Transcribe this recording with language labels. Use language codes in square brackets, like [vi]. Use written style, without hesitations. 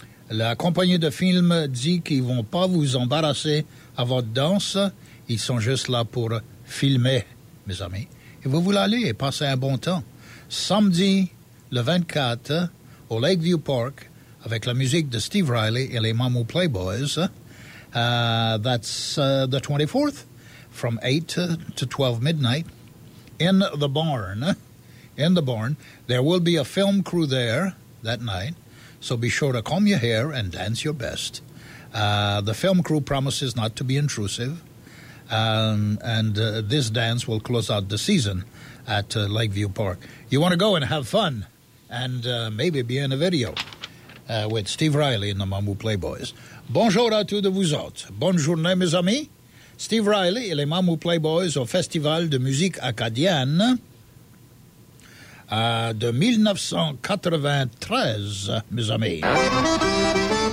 [fr] La compagnie de films dit qu'ils vont pas vous embarrasser à votre danse. Ils sont juste là pour filmer, mes amis. Et vous voulez aller et passer un bon temps. Samedi, le 24, au Lakeview Park, avec la musique de Steve Riley et les Mamou Playboys. [en] That's the 24th, from 8 to 12 midnight, in the barn. In the barn. There will be a film crew there that night, so be sure to comb your hair and dance your best. The film crew promises not to be intrusive, and this dance will close out the season at Lakeview Park. You want to go and have fun, and maybe be in a video with Steve Riley and the Mamou Playboys. [fr] Bonjour à tous de vous autres. Bonne journée, mes amis. Steve Riley et les Mamou Playboys au Festival de musique acadienne de 1993, mes amis.